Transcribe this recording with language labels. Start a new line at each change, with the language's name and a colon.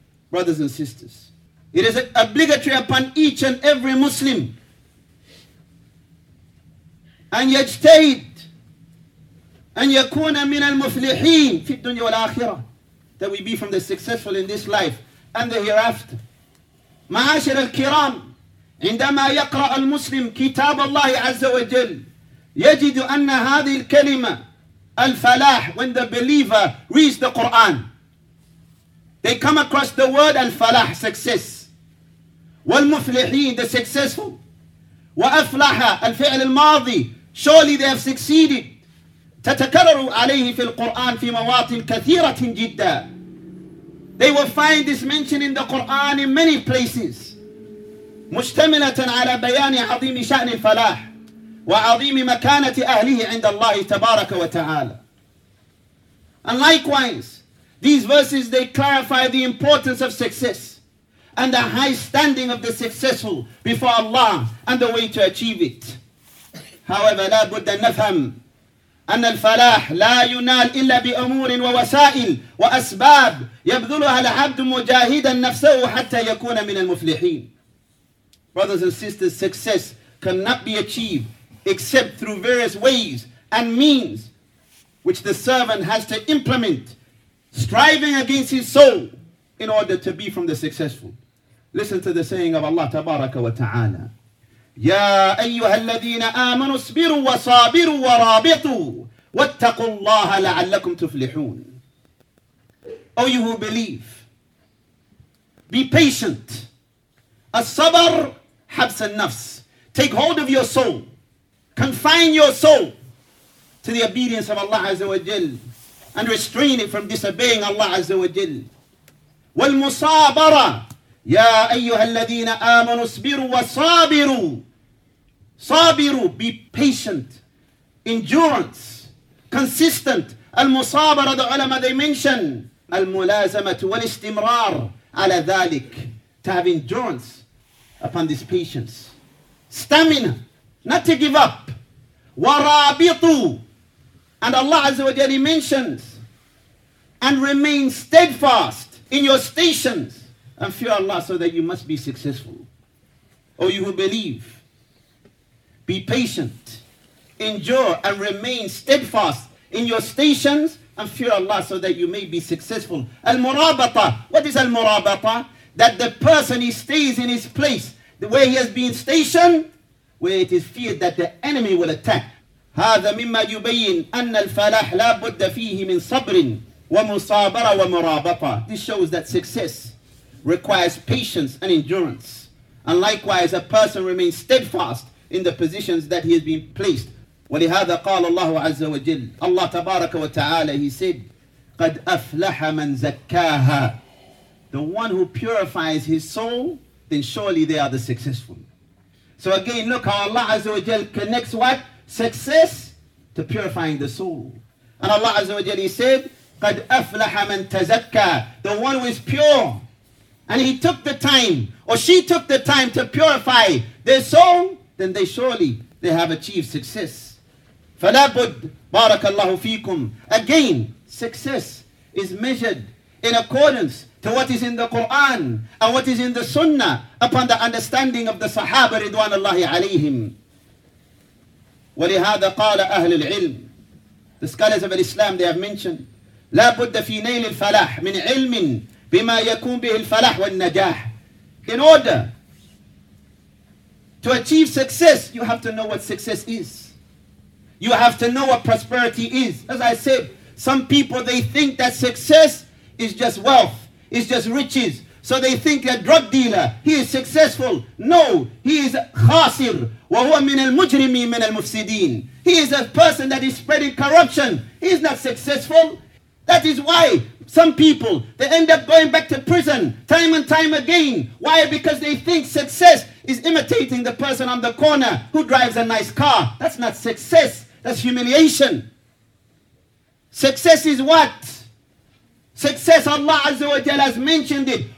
English: Brothers and sisters, it is obligatory upon each and every Muslim
Arabic: أن يجتهد أن يكون من المفلحين في الدنيا والآخرة.
English: That we be from the successful in this life and the hereafter.
Arabic: معاشر الكرام, عندما يقرأ المسلم كتاب الله عز وجل يجد أن هذه الكلمة الفلاح.
English: When the believer reads the Quran, they come across the word الفلاح, success.
Arabic: والمفلحين,
English: the successful.
Arabic: وأفلح, الفعل الماضي,
English: surely they have succeeded.
Arabic: تتكرر عليه في القرآن في مواطن كثيرة جدا.
English: They will find this mention in the Quran in many places.
Arabic: مشتملة على بيان عظيم شأن الفلاح وعظيم مكانة أهله عند الله تبارك وتعالى.
English: And likewise, these verses, they clarify the importance of success and the high standing of the successful before Allah and the way to achieve it. However,
Arabic: لا بد أن نفهم أن الفلاح لا ينال إلا بأمور ووسائل وأسباب يبذلها العبد مجاهدا نفسه حتى يكون من المفلحين.
English: Brothers and sisters, success cannot be achieved except through various ways and means which the servant has to implement, striving against his soul in order to be from the successful. Listen to the saying of Allah
Arabic: تبارك وتعالى. يا أيها الذين آمنوا اصبروا وصابروا ورابطوا واتقوا الله لعلكم تفلحون.
English: O you who believe, be patient.
Arabic: الصبر حبس النفس.
English: Take hold of your soul. Confine your soul to the obedience of Allah عز وجل and restrain it from disobeying Allah عز وجل.
Arabic: والمصابرة يا أيها الذين آمنوا اصبروا وصابروا.
English: صابروا, be patient, endurance, consistent.
Arabic: المصابرة, the علماء,
English: they mention
Arabic: الملازمة والاستمرار على ذلك.
English: To have endurance upon this patience. Stamina, not to give up.
Arabic: ورابطوا,
English: and Allah عز وجل mentions and remain steadfast in your stations and fear Allah so that you must be successful. O you who believe, be patient, endure, and remain steadfast in your stations and fear Allah so that you may be successful. Al-murabata. What is al-murabata? That the person, he stays in his place, the way he has been stationed, where it is feared that the enemy will attack.
Arabic: هذا مما يبين أن الفلاح لا بد فيه من صبر ومصابرة ومرابطة.
English: This shows that success requires patience and endurance. And likewise, a person remains steadfast in the positions that he has been placed.
Arabic: ولهذا قال الله عز وجل, الله تبارك وتعالى,
English: he said,
Arabic: قد أفلح من زكاها.
English: The one who purifies his soul, then surely they are the successful. So again, look how Allah Azza wa Jal connects what? Success to purifying the soul. And Allah Azza wa Jal, he said, قد أفلح من تزكى. The one who is pure, and he took the time, or she took the time to purify their soul, then they surely, they have achieved success.
Arabic: فلابد, بارك الله فيكم.
English: Again, success is measured in accordance to what is in the Quran and what is in the Sunnah upon the understanding of the Sahaba رضوان الله عليهم.
Arabic: ولهذا قال أهل العلم,
English: the scholars of Islam, they have mentioned,
Arabic: لا بد في نيل الفلاح من علم بما يكون به الفلاح والنجاح.
English: In order to achieve success, you have to know what success is. You have to know what prosperity is. As I said, some people, they think that success is just wealth, is just riches. So they think a drug dealer, he is successful. No, he is khasir.
Arabic: وهو من المجرمين من المفسدين.
English: He is a person that is spreading corruption. He is not successful. That is why some people, they end up going back to prison time and time again. Why? Because they think success is imitating the person on the corner who drives a nice car. That's not success. That's humiliation. Success is what? Success, Allah Azza wa Jalla has mentioned it.